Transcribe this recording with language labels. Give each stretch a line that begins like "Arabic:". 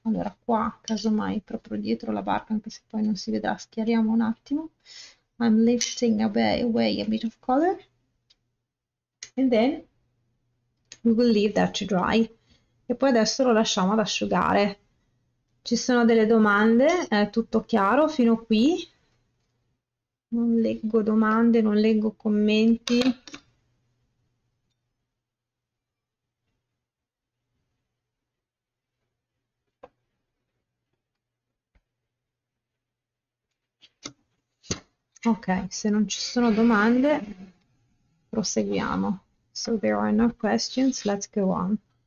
Italian: Allora, qua, casomai, proprio dietro la barca, anche se poi non si vedrà, schiariamo un attimo.
English: I'm lifting away a bit of color. And then we will leave that to dry.
Italian: E poi adesso lo lasciamo ad asciugare. Ci sono delle domande? È tutto chiaro fino qui? Non leggo domande, non leggo commenti. Ok, se non ci sono domande, proseguiamo.
English: So there are no questions, let's go on.